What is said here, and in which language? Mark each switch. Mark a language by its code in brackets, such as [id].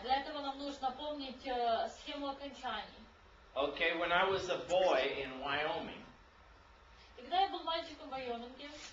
[ru] Для этого нам нужно помнить схему окончаний. [en] Okay, when I was a boy in Wyoming. [ru] Когда я был мальчиком в Вайоминге.